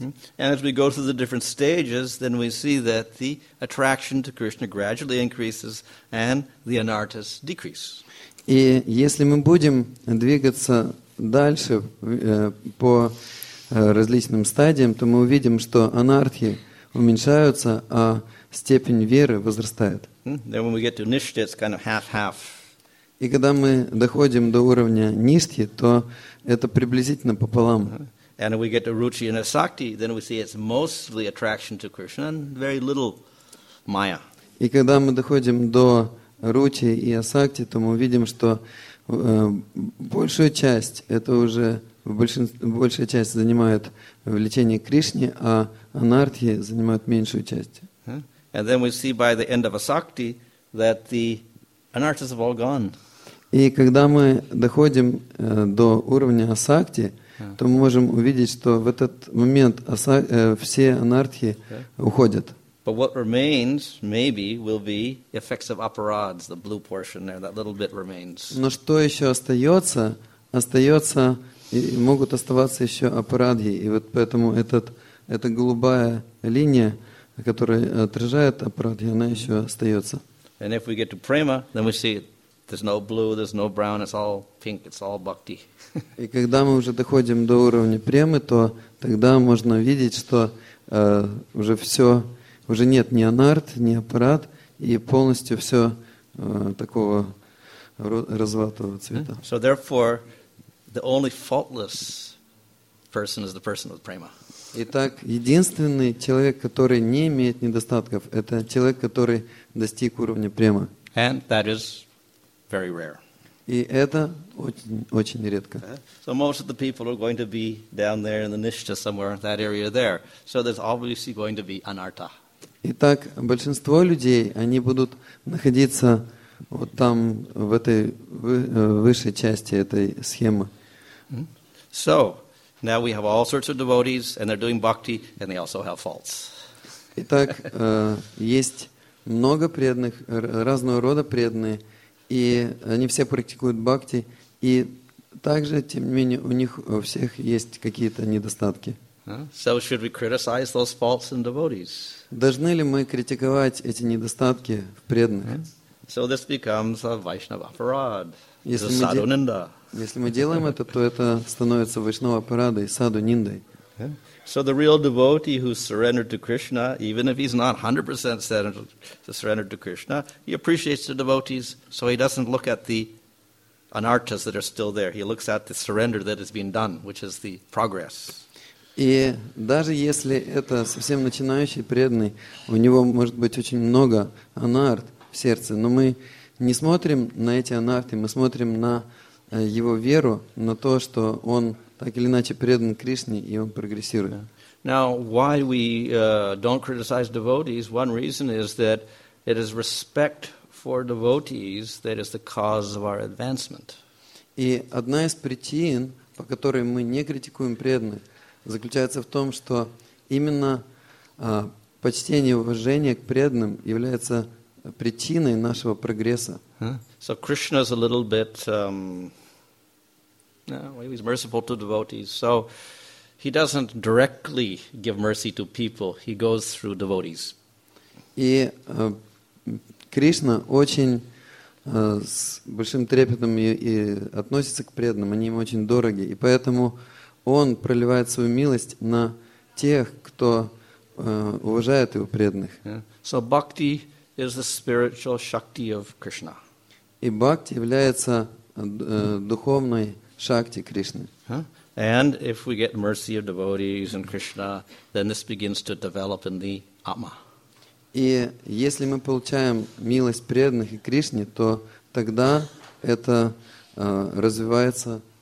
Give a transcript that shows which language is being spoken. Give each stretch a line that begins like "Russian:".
English: And as we go through the different stages, then we see that the attraction to Krishna gradually increases and the anarthas decrease.
Russian: И если мы будем двигаться дальше по различным стадиям, то мы увидим, что анартхи уменьшаются, а степень веры возрастает.
English: Then when we get to nishtha, it's kind of half-half.
Russian: И когда мы доходим до уровня ништи, то это приблизительно пополам.
English: And when we get to ruchi and asakti, then we see it's mostly attraction to Krishna and very little maya.
Russian: И когда мы доходим до ruchi и asakti, то мы видим, что большую часть это уже большая часть занимает влечение к Кришне, а анартхи занимают меньшую часть.
English: And then we see by the end of asakti that the anarthas have all gone.
Russian: И когда мы доходим до уровня асакти, то мы можем увидеть, что в этот момент все анартхи уходят.
English: But what remains, maybe, will be effects of aparads, the blue portion there, that little bit remains.
Russian: Но что еще остается? Остается, и могут оставаться еще апарадхи. И вот поэтому эта голубая линия, которая отражает апарадхи, она еще остается.
English: And if we get to prema, then we see there's no blue, there's no brown, it's all pink, it's all bhakti.
Russian: И когда мы уже доходим до уровня премы, то тогда можно видеть, что уже все... Уже нет ни анарт, ни аппарат, и полностью все такого розоватого цвета.
English: So therefore, the only faultless person is the person with prema.
Russian: Итак, единственный человек, который не имеет недостатков, это человек, который достиг уровня према.
English: And that is very rare.
Russian: И это очень, очень редко.
English: So most of the people are going to be down there in the nishtha somewhere, that area there. So there's obviously going to be anarta.
Russian: Итак, большинство людей, они будут находиться вот там, в этой высшей части этой схемы.
English: So, now we have all sorts of devotees, and they're doing bhakti, and they also have faults.
Russian: Итак, есть много преданных, разного рода преданные, и они все практикуют бхакти, и также, тем не менее, у них у всех есть какие-то недостатки.
English: So should we criticize those faults in devotees?
Russian: Должны ли мы критиковать эти недостатки в преданных?
English: So this becomes a Vaishnava parad.
Russian: Если мы делаем это, то это становится Вайшнава парадой, саду ниндой.
English: So the real devotee who surrendered to Krishna, even if he's not 100% surrendered to Krishna, he appreciates the devotees, so he doesn't look at the anartas that are still there. He looks at the surrender that has been done, which is the progress.
Russian: И даже если это совсем начинающий преданный, у него может быть очень много анарт в сердце, но мы не смотрим на эти анарты, мы смотрим на его веру, на то, что он так или иначе предан Кришне, и он прогрессирует.
English: Now, why we don't criticize devotees, one reason is that it is respect for devotees that is the cause of our advancement.
Russian: И одна из причин, по которой мы не критикуем преданных, заключается в том, что именно почтение и уважение к преданным является причиной нашего прогресса.
English: So Krishna is a little bit, he's merciful to devotees. So he doesn't directly give mercy to people. He goes through devotees.
Russian: И Кришна очень с большим трепетом и относится к преданным. Они ему очень дороги, и поэтому Он проливает свою милость на тех, кто уважает его преданных.
English: So bhakti is the spiritual shakti of Krishna.
Russian: И бхакти является духовной шакти Кришны.
English: And if we get mercy of devotees and Krishna, then this begins to develop in the atma.
Russian: И если мы получаем милость преданных и Кришны, то тогда это развивается.